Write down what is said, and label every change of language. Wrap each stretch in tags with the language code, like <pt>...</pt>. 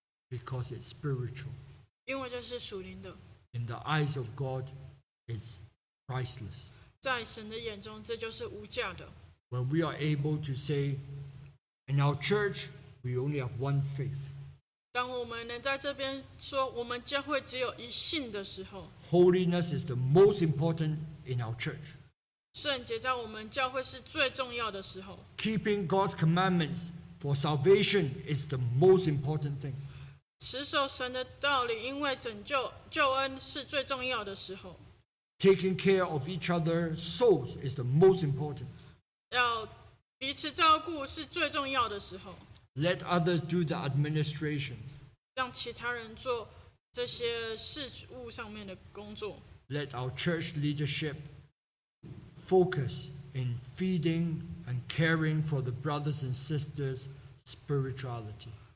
<en>Because it's spiritual.</en> <zh>因为这是属灵的。</zh> <en>In the eyes of God, it's priceless.</en> <zh>在神的眼中，这就是无价的。</zh> <en>When we are able to say, in our church, we only have one faith.</en> <zh>当我们能在这边说我们教会只有一信的时候，</zh> <en>Holiness is the most important in our church.</en> <zh>圣洁在我们教会是最重要的时候。</zh> <en>Keeping God's commandments for salvation is the most important thing.</en> <zh>持守神的道理，因为拯救救恩是最重要的时候。</zh> <en>Taking care of each other's souls is the most important.</en> <zh>要彼此照顾是最重要的时候。</zh> <en>Let others do the administration.</en> <zh>让其他人做这些事务上面的工作。</zh> <en>Let our church leadership. Focus in feeding and caring for the brothers and sisters' spirituality.</en>